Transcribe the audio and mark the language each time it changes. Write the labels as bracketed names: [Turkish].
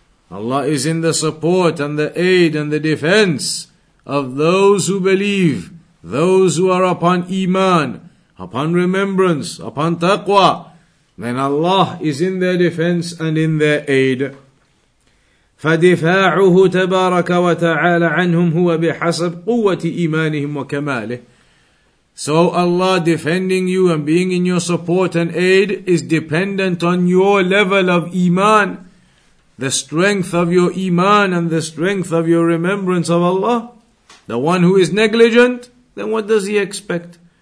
[English] Allah is in the support and the aid and the defense of those who believe, those who are upon iman, upon remembrance, upon taqwa. Then Allah is in their defense and in their aid. [Arabic] فدفاعه تبارك وتعالى عنهم هو بحسب قوة إيمانهم وكماله. [English] So Allah defending you and being in your support and aid is dependent on your level of iman, the strength of your iman and the strength of your remembrance of Allah. The one who is negligent, then what does he expect?